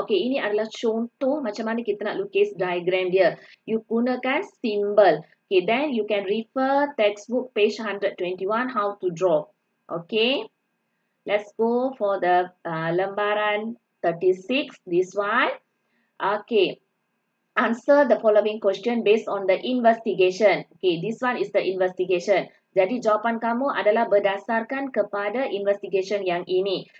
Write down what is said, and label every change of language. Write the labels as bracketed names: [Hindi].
[Malay] Okey, ini adalah contoh macam mana kita nak lukis diagram dia. You gunakan symbol. [English] Okay, then you can refer textbook page 121 how to draw. Okay, let's go for the lembaran 36, this one. Okay, answer the following question based on the investigation. Okay, this one is the investigation. [Malay] Jadi, jawapan kamu adalah berdasarkan kepada investigation yang ini.